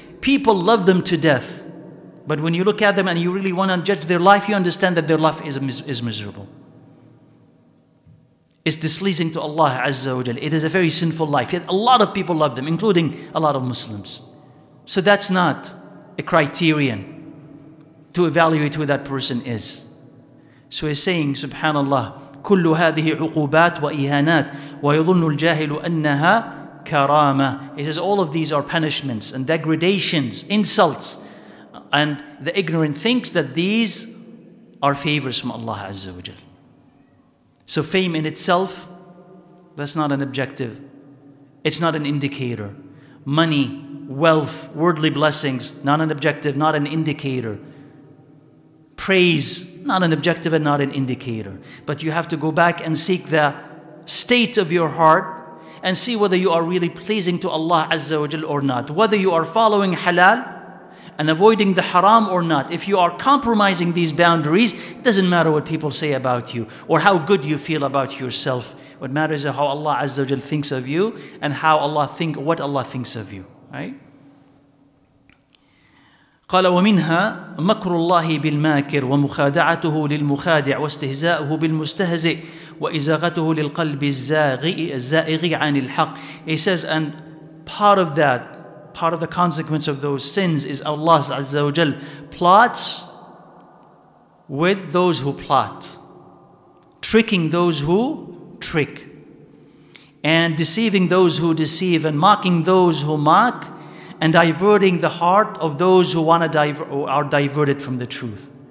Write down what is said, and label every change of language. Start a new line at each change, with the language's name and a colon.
English: People love them to death. But when you look at them and you really want to judge their life, you understand that their life is miserable. It's displeasing to Allah Azza wa Jal. It is a very sinful life. Yet a lot of people love them, including a lot of Muslims. So that's not a criterion to evaluate who that person is. So he's saying, Subhanallah,
Arabic: كل هذه عقوبات وإهانات ويظن الجاهل أنها كرامة.
English: He says all of these are punishments and degradations, insults, and the ignorant thinks that these are favors from Allah Azza wa Jal. So fame in itself, that's not an objective. It's not an indicator. Money, wealth, worldly blessings, not an objective, not an indicator. Praise, not an objective and not an indicator. But you have to go back and seek the state of your heart and see whether you are really pleasing to Allah Azza wa Jal or not. Whether you are following halal and avoiding the haram or not. If you are compromising these boundaries, it doesn't matter what people say about you or how good you feel about yourself. What matters is how Allah Azza wa Jal thinks of you and what Allah thinks of you, right?
Arabic: قال ومنها مكر الله بالماكر ومخادعته للمخادع واستهزاؤه بالمستهزئ وإزاغته للقلب الزائغ عن الحق.
English: He says, and part of that, part of the consequence of those sins is Allah Azza wa Jal plots with those who plot, tricking those who trick, and deceiving those who deceive, and mocking those who mock, and diverting the heart of those who want to are diverted from the truth.